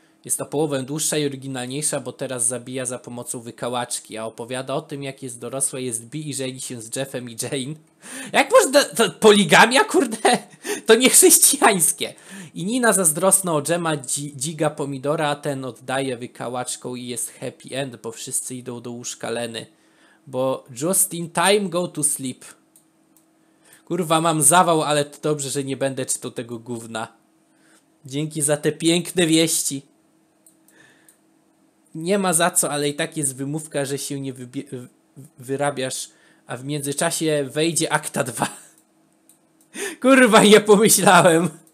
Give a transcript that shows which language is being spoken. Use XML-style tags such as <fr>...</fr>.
<pl>Jest to połowę dłuższa i oryginalniejsza, bo teraz zabija za pomocą wykałaczki, a opowiada o tym, jak jest dorosła, jest bi i żeni się z Jeffem i Jane. Jak można... To poligamia, kurde? To nie chrześcijańskie. I Nina zazdrosna o Jema dziga pomidora, a ten oddaje wykałaczką i jest happy end, bo wszyscy idą do łóżka Leny.</pl> <en>Bo just in time go to sleep.</en> <pl>Kurwa, mam zawał, ale to dobrze, że nie będę czytał tego gówna. Dzięki za te piękne wieści. Nie ma za co, ale i tak jest wymówka, że się nie wyrabiasz, a w międzyczasie wejdzie akta 2. Kurwa, nie pomyślałem.</pl>